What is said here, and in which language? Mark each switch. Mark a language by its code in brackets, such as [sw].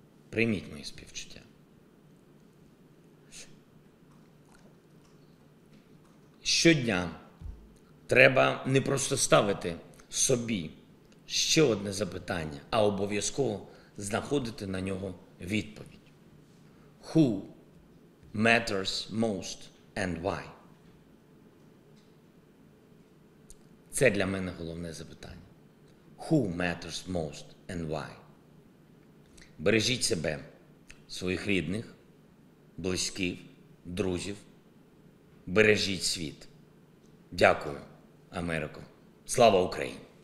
[uk] Прийміть мої співчуття. щодня треба не просто ставити собі ще одне запитання, а обов'язково знаходити на нього відповідь. [en] Who matters most and why? [uk] Це для мене головне запитання. [en] Who matters most and why? [uk] Бережіть себе, своїх рідних, близьких, друзів. Бережіть світ. Дякую, Америко. Слава Україні!